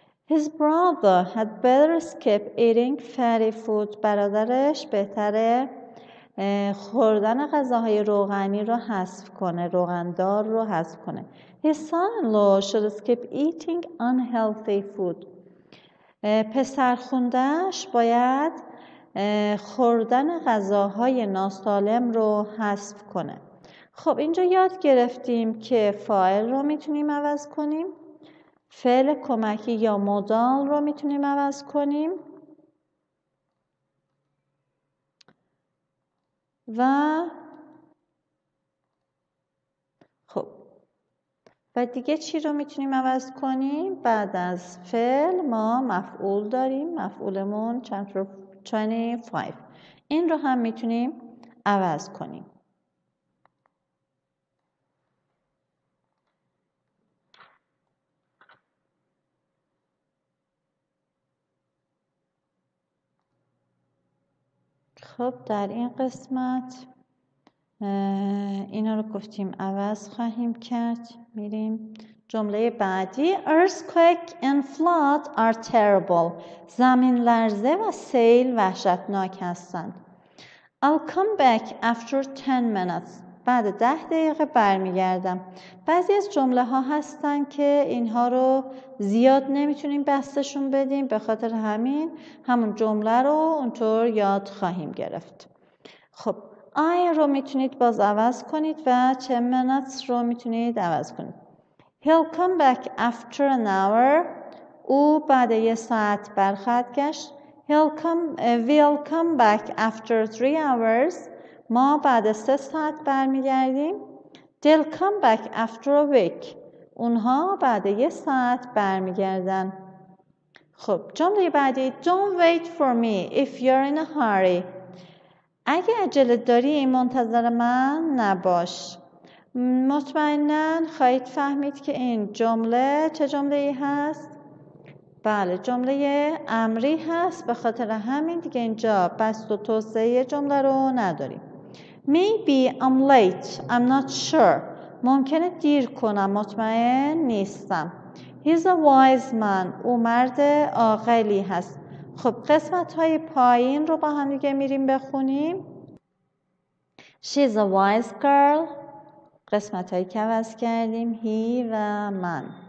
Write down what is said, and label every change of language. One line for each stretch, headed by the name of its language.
English: His brother had better skip eating fatty food.
Persian: برادرش بهتره خوردن غذاهای روغنی رو حذف کنه، روغندار رو حذف کنه.
English: His son-in-law should skip eating unhealthy food.
Persian: پسر خوندهش باید خوردن غذاهای ناسالم رو حذف کنه. خب اینجا یاد گرفتیم که فاعل رو میتونیم عوض کنیم، فعل کمکی یا مودال رو میتونیم عوض کنیم و و دیگه چی رو میتونیم عوض کنیم؟ بعد از فعل ما مفعول داریم، مفعولمون
English: chapter 25.
Persian: این رو هم میتونیم عوض کنیم. خب در این قسمت اینا رو گفتیم عوض خواهیم کرد. میریم جمله بعدی.
English: Earthquake and flood are terrible.
Persian: زمین لرزه و سیل وحشتناک هستند.
English: I'll come back after 10 minutes.
Persian: بعد 10 دقیقه برمیگردم. بعضی از جمله ها هستن که اینها رو زیاد نمیتونیم بستشون بدیم، به خاطر همین همون جمله رو اونطور یاد خواهیم گرفت. خب I رو میتونید باز عوض کنید و
English: 10 minutes
Persian: رو میتونید عوض کنید.
English: He'll come back after an hour.
Persian: او بعد یه ساعت برخواهد گشت.
English: We'll come back after 3 hours.
Persian: ما بعد 3 ساعت برمیگردیم.
English: They'll come back after a week.
Persian: اونها بعد یه ساعت برمیگردن. خب جمله بعدی.
English: Don't wait for me if you're in a hurry.
Persian: اگه عجله داری منتظر من نباش. مطمئنن خواهید فهمید که این جمله چه جمله ای هست؟ بله جمله امری هست، به خاطر همین دیگه اینجا بست و توسعه جمله رو نداریم.
English: Maybe I'm late, I'm not sure.
Persian: ممکنه دیر کنم، مطمئن نیستم.
English: He's a wise man.
Persian: او مرد عاقلی هست. خب قسمت های پایین رو با هم دیگه میریم بخونیم.
English: She's a wise girl.
Persian: قسمت هایی که عوض کردیم، he و من.